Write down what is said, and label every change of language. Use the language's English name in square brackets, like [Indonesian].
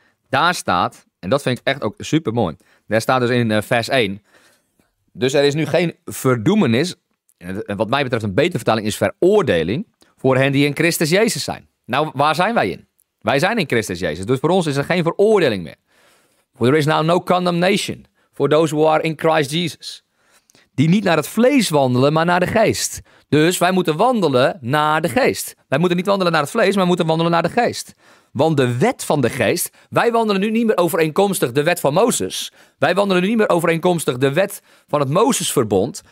[Dutch] Daar staat, en dat vind ik echt ook super mooi. Daar staat dus in vers 1. Dus er is nu geen verdoemenis. En wat mij betreft een betere vertaling is veroordeling. Voor hen die in Christus Jezus zijn. Nou, waar zijn wij in? Wij zijn in Christus Jezus. Dus voor ons is er geen veroordeling meer. [English] For there is now no condemnation for those who are in Christ Jesus. [Dutch] Die niet naar het vlees wandelen, maar naar de geest. Dus wij moeten wandelen naar de geest. Wij moeten niet wandelen naar het vlees, maar moeten wandelen naar de geest. Want de wet van de geest, wij wandelen nu niet meer overeenkomstig de wet van Mozes. Wij wandelen nu niet meer overeenkomstig de wet van het Mozesverbond.